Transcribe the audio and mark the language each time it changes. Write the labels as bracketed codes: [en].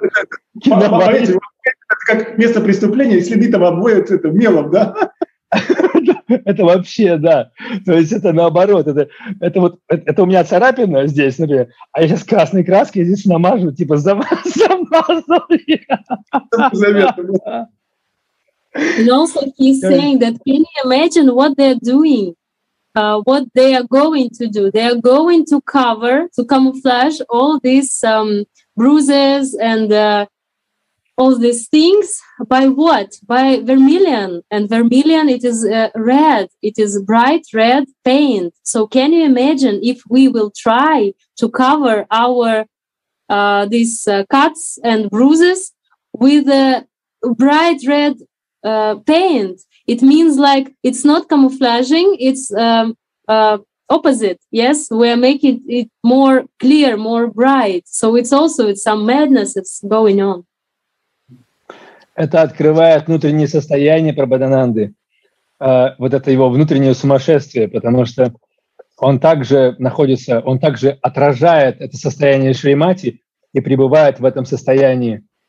[ru] Это как место преступления, следы там обоют это, мелом, да? Это вообще, да. То есть это наоборот. Это вот это у меня царапина здесь, например. А я сейчас красной краской здесь намажу, типа замазал я. [en] And also he's saying that, can you imagine what they're doing, what they are going to do? They are going to cover, to camouflage all these bruises and all these things. By what? By vermilion. And vermilion, it is red. It is bright red paint. So can you imagine if we will try to cover our these cuts and bruises with a bright red paint. It means like it's not camouflaging, it's opposite. Yes, we are making it more clear, more bright. So it's also it's some madness that's going on. [ru] Это открывает внутреннее состояние Прабхадананды. Вот это его внутреннее сумасшествие, потому что он также находится, он также отражает это состояние Шримати и пребывает в этом состоянии.